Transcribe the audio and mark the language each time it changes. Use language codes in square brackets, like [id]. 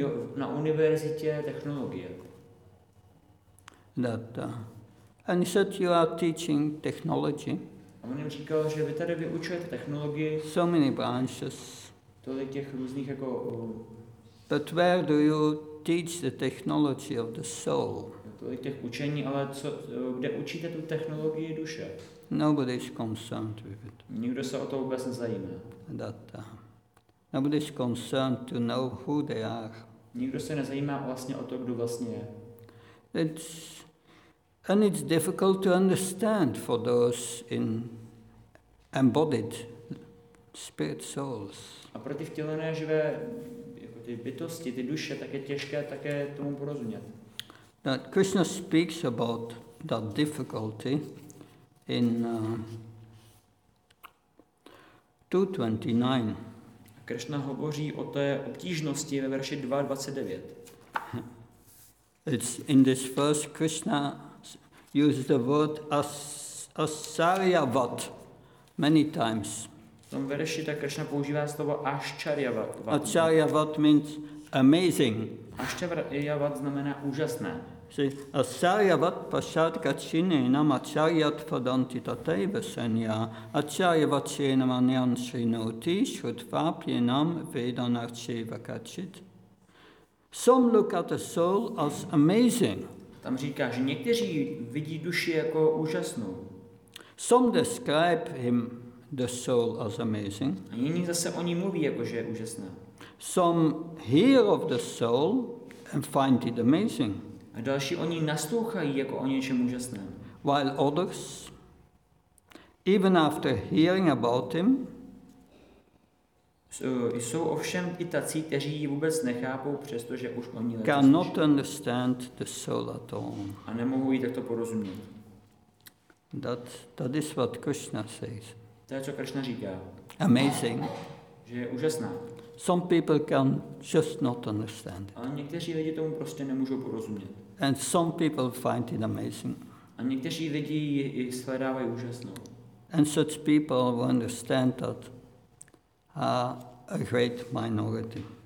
[cs] Jo, na univerzitě technologie. [en] And he said, you are teaching technology. [cs] A on jim říkal, že vy tady vyučujete technologii. [en] So many branches. [cs] Tolik těch různých jako... [en] But where do you teach the technology of the soul? [cs] Tolik těch učení, ale co, kde učíte tu technologii duše? [en] Nobody is concerned with it. [cs] Nikdo se o to vůbec nezajímá. [en] Nobody is concerned to know who they are. [cs] Nikdo se nezajímá vlastně o to, kdo vlastně je. [en] And it's difficult to understand for those in embodied spirit souls. [cs] A pro ty vtělené živé jako ty bytosti, ty duše, tak je těžké také tomu porozumět. [en] That Krishna speaks about that difficulty in 2.29. [cs] Krishna hovoří o té obtížnosti ve verši 2.29. [en] It's in this verse Krishna uses the word asaryavat many times. [cs] V tom verši tak Krishna používá slovo asaryavat. [en] Asaryavat means amazing. [cs] Asaryavat znamená úžasné. [sa] Asaryavat pasat kachine nam asaryat padanti tateva sanya asaryavat chenam anyan srinoti shudvapyanam vedanarcheva kachit. [en] Some look at the soul as amazing. [cs] Tam říká, že někteří vidí duši jako úžasnou. [en] Some describe him the soul as amazing. [cs] A jiní zase o ní mluví jako že je úžasná. [en] Some hear of the soul and find it amazing. [cs] A další o ní naslouchají jako o něčem úžasném. [en] While others, even after hearing about him, [cs] jsou ovšem i tací, kteří ji vůbec nechápou, přestože už oni [en] lepší. Cannot understand the soul at all. [cs] A nemohou ji takto porozumět. [en] That is what Krishna says. [cs] To je, co Krishna říká. [en] Amazing. [cs] Že je úžasná. [en] Some people can just not understand it. [cs] Ale někteří lidi tomu prostě nemůžou porozumět. [en] And some people find it amazing. [cs] A někteří lidi ji shledávají úžasnou. [en] And such people will understand that a great minority.